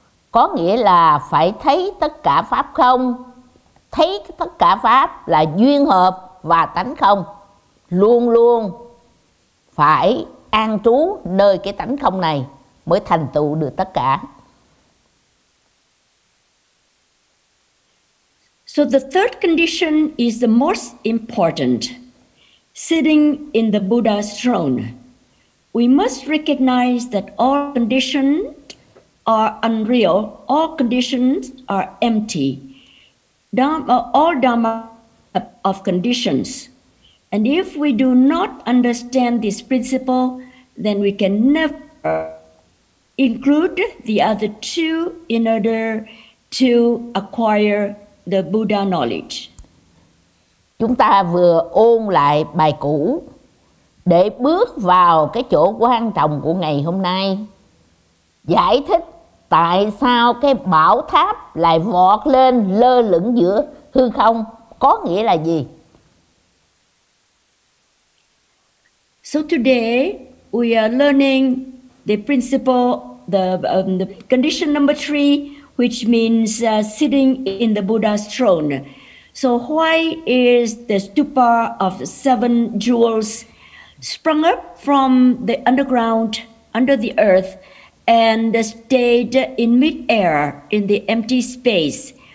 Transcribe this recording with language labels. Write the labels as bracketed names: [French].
[Vietnamese] Có nghĩa là phải thấy tất cả pháp không, thấy tất cả pháp là duyên hợp và tánh không, luôn luôn phải an trú nơi cái tánh không này mới thành tựu được tất cả. [English] So the third condition is the most important. Sitting in the Buddha's throne, we must recognize that all conditions are unreal, all conditions are empty. All dharma of conditions. And if we do not understand this principle, then we can never include the other two in order to acquire the Buddha knowledge. [Vietnamese] Chúng ta vừa ôn lại bài cũ để bước vào cái chỗ quan trọng của ngày hôm nay. Giải thích tại sao cái bảo tháp lại vọt lên lơ lửng giữa hư không có nghĩa là gì? [English] So today we are learning the principle, the condition number three, which means sitting in the Buddha's throne. So why is the stupa of seven jewels sprung up from the underground under the earth and stayed in mid-air in the empty space?